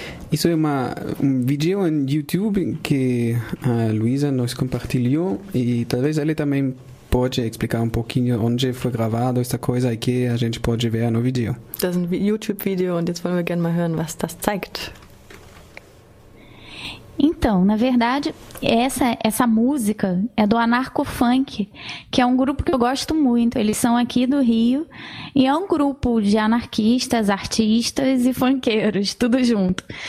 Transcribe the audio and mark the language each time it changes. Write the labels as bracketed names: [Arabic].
[Portuguese] Isso é um vídeo em YouTube que a Luisa nos compartilhou e talvez ela também pode explicar um pouquinho onde foi gravado essa coisa e que a gente pode ver no vídeo. [German] Das ist ein YouTube-Video und jetzt wollen wir gerne mal hören, was das zeigt. [Portuguese] Então, na verdade, essa música é do Anarcho-Funk, que é um grupo que eu gosto muito. Eles são aqui do Rio e é um grupo de anarquistas, artistas e funkeiros, tudo junto.